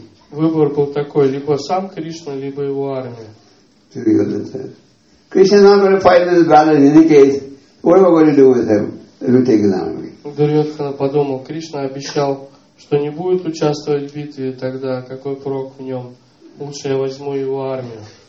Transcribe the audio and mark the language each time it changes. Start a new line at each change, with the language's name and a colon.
Russian: Выбор был такой, либо сам Кришна, либо его армия.
English: Дурьотхена said, Krishna's not going to fight this battle in any case. What am I going to do with him? Let me take his army.
Russian: Дурьотхена подумал, Кришна обещал, что не будет участвовать в битве, тогда какой прок в нем? Лучше я возьму его армию.